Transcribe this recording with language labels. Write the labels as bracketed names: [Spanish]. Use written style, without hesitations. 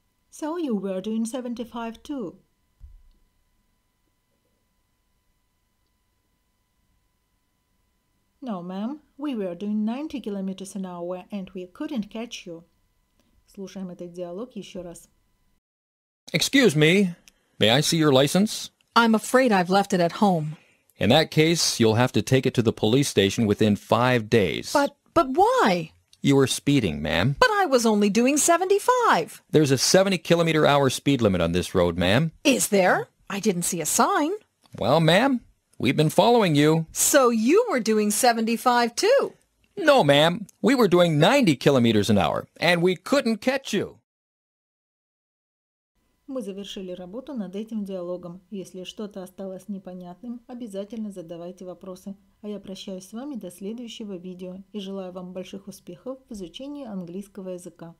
[English] So you were doing 75 too. No, ma'am, we were doing 90 km/h and we couldn't catch you. [Russian] Слушаем этот диалог еще раз. [English] Excuse me, may I see your license? I'm afraid I've left it at home. In that case, you'll have to take it to the police station within 5 days. But why? You were speeding, ma'am. But I was only doing 75. There's a 70 km/h speed limit on this road, ma'am. Is there? I didn't see a sign. Well, ma'am, we've been following you. So you were doing 75 too? No, ma'am. We were doing 90 km/h, and we couldn't catch you. [Russian] Мы завершили работу над этим диалогом. Если что-то осталось непонятным, обязательно задавайте вопросы. А я прощаюсь с вами до следующего видео и желаю вам больших успехов в изучении английского языка.